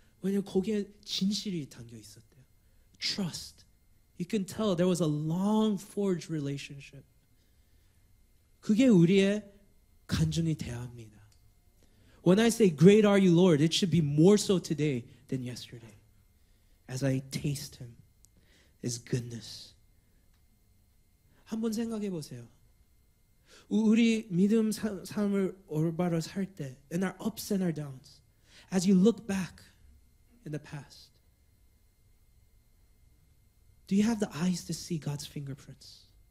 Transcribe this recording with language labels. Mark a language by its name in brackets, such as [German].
[Korean] 왜냐면 거기에 진실이 담겨 있었대요. [English] Trust. You can tell there was a long forged relationship. [Korean] 그게 우리의 간증이 되어야 합니다. [English] When I say, great are you, Lord, it should be more so today than yesterday. As I taste him, his goodness. [Korean] 한번 생각해 보세요. 우리 믿음 삶을 올바로 살 때, [English] in our ups and our downs, as you look back in the past, do you have the eyes to see God's fingerprints?